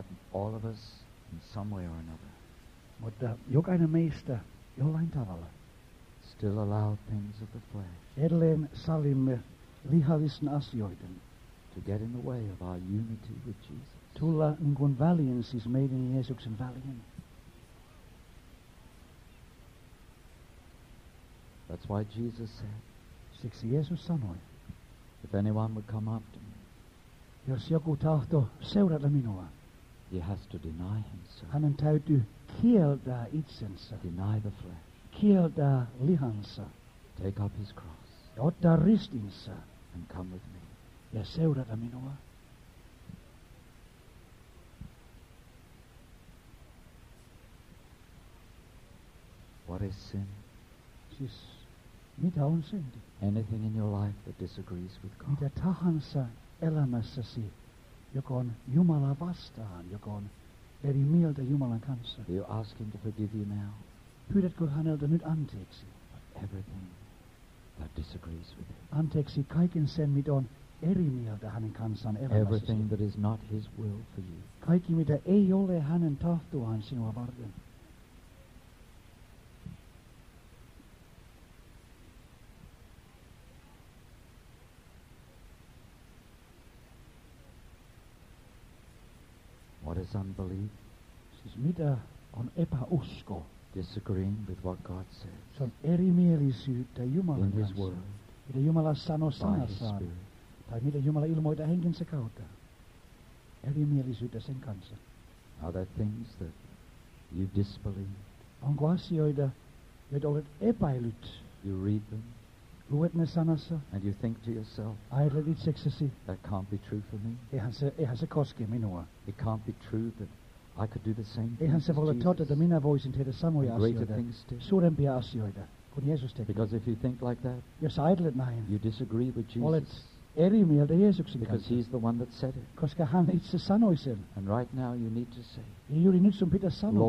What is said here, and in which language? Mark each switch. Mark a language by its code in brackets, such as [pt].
[en] But all of us, in some way or another, [fi] mutta jokainen meistä jollain tavalla. [en] Still allow things of the flesh. [fi] Edelleen sallimme lihallisen asioiden. [en] To get in the way of our unity with Jesus. [fi] Tulla niin kuin väliin, siis meidän Jeesuksen väliin. [en] That's why Jesus said. [fi] Siksi Jeesus sanoi. [en] If anyone would come after me. [fi] Jos joku tahto seurata minua. [en] He has to deny himself. [fi] Hänen täytyy kieltää itsensä. [en] Deny the flesh. [fi] Kieltää lihansa. [en] Take up his cross. [fi] Ja ottaa ristinsä. [en] And come with me. [fi] Ja seurata minua. [en] What is sin? [fi] Siis, mitä on synti? [en] Anything in your life that disagrees with God. [fi] Mitä tahansa elämässäsi, joka on Jumalaa vastaan, joka on eri mieltä Jumalan kanssa. [en] You ask him to forgive you now. [fi] Pyydätkö häneltä nyt anteeksi? [en] Everything that disagrees with him. [fi] Anteeksi kaiken sen, mitä on eri mieltä hänen kanssaan elämässä. [en] Everything that is not his will for you. [fi] Kaikki, mitä ei ole hänen tahtoaan sinua varten. [en] What is unbelief? [fi] Siis mitä on epäusko? [en] Disagreeing with what God says. [fi] Se on erimielisyyttä Jumalan kanssa. [en] In his word. [fi] Mitä Jumala sanoo sanassaan. [en] By his spirit. [fi] Tai mitä Jumala ilmoita henkensä kautta. Erimielisyyttä sen kanssa. [en] Are there things that you disbelieved? [fi] Onko asioita, joita olet epäillyt? [en] You read them. [fi] Luet ne sanassa. [en] And you think to yourself. [fi] Ajattelet itseksesi. [en] That can't be true for me. [fi] Eihän se koske minua. [en] It can't be true that I could do the same thing. [fi] Eihän se voi olla totta, että minä voisin tehdä samoja asioita. Suurempia asioita kuin Jeesus teki. [en] Because if you think like that. [fi] Jos ajattelet näin. [en] You disagree with Jesus. [fi] Olet eri mieltä Jeesuksen kanssa. [en] Because he's the one that said it. [fi] Koska hän itse sanoi sen. [en] And right now you need to say. [fi] Ja juuri nyt sun pitää sanoa.